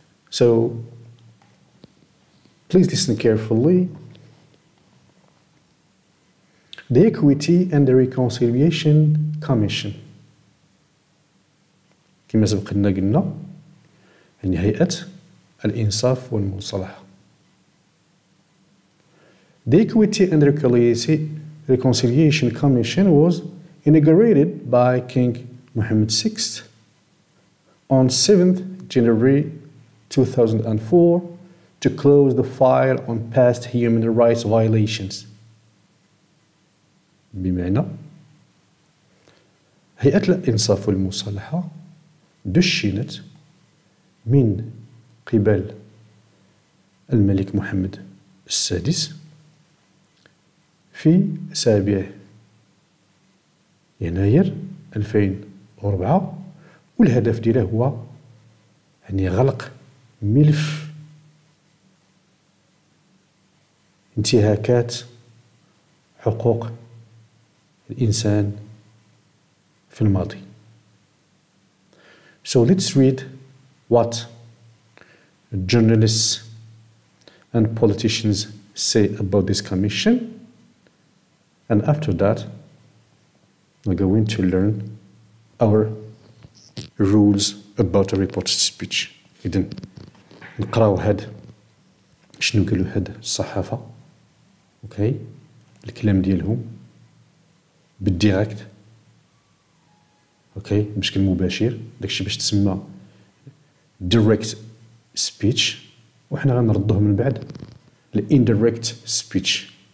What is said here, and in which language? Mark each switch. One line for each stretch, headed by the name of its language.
English: So, please listen carefully. The Equity and the Reconciliation Commission.
Arabic: كما سبق لنا قلنا, يعني هيئة الإنصاف والمصالحة.
English: The Equity and Reconciliation Commission was inaugurated by King Mohammed VI on 7th January 2004 to close the file on past human rights violations.
Arabic: بمعنى هيئة الإنصاف والمصالحة دشنت من قبل الملك محمد السادس في 7 يناير 2004, والهدف ديالها هو يعني غلق ملف انتهاكات حقوق الإنسان في الماضي.
English: So let's read what journalists and politicians say about this commission, and after that we're going to learn our rules about a reported speech.
Arabic: إذن نقراو هاد شنو قالوا هاد الصحافة, اوكي, الكلام ديالهم بالديريكت, اوكي, بشكل مباشر, داكشي باش تسمى direct speech, وحنا غنردوه من بعد indirect speech.